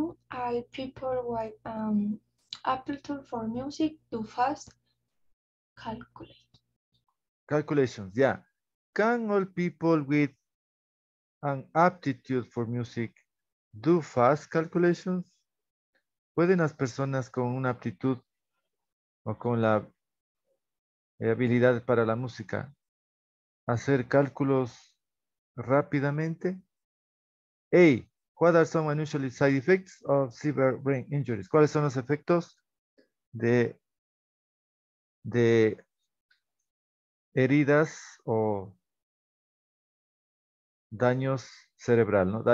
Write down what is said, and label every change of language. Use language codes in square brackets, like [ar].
[en] I people with aptitude for music do fast calculate. Calculations, yeah. Can all people with an aptitude for music do fast calculations? [es] ¿Pueden las personas con una aptitud o con la habilidad para la música hacer cálculos rápidamente? A. [en] What are some unusual side effects of severe brain injuries? [es] ¿Cuáles son los efectos de heridas o daños cerebral, ¿no?